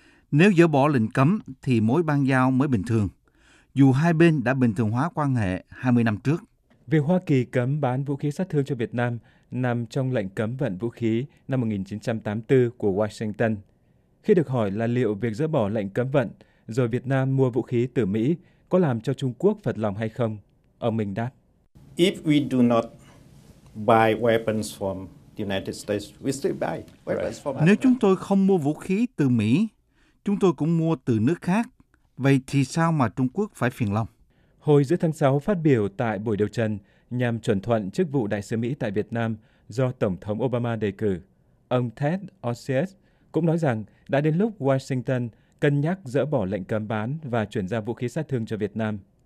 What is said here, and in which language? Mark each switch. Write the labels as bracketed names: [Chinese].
[Vietnamese] Nếu dỡ bỏ lệnh cấm thì mối ban giao mới bình thường, dù hai bên đã bình thường hóa quan hệ 20 năm trước. Việc Hoa Kỳ cấm bán vũ khí sát thương cho Việt Nam nằm trong lệnh cấm vận vũ khí năm 1984 của Washington. Khi được hỏi là liệu việc dỡ bỏ lệnh cấm vận rồi Việt Nam mua vũ khí từ Mỹ có làm cho Trung Quốc phật lòng hay không, ông Minh đáp: [English] If we do not buy weapons from the United States, we still buy weapons from. [Vietnamese] Nếu chúng tôi không mua vũ khí từ Mỹ, chúng tôi cũng mua từ nước khác. Vậy thì sao mà Trung Quốc phải phiền lòng? Hồi giữa tháng 6 phát biểu tại buổi điều trần nhằm chuẩn thuận chức vụ đại sứ Mỹ tại Việt Nam do Tổng thống Obama đề cử, ông Ted Osius cũng nói rằng đã đến lúc Washington cân nhắc dỡ bỏ lệnh cấm bán và chuyển giao vũ khí sát thương cho Việt Nam.